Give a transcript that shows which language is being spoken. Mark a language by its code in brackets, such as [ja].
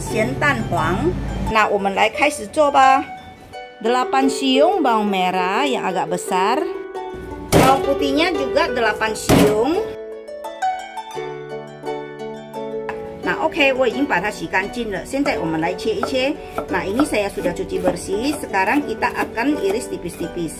[zh] 那我就用一斤600公克的梅花肉，肉呢就随便自己要用什么肉都可以的。100公克的香菇，这个香菇我已经泡好了。100公克的虾米，300公克的菜脯，这个菜脯我也泡好了。250公克猪好的花生，200公克的绞肉。这次的粽子呢，我也要放咸蛋黄。那我们来开始做吧。 [id] 8 siung bawang merah yang agak besar. Bawang putihnya juga 8 siung. [zh] Nah oke, okay, 我已经把它洗干净了，现在我们来切一切。 [id] Nah ini saya sudah cuci bersih, sekarang kita akan iris tipis-tipis.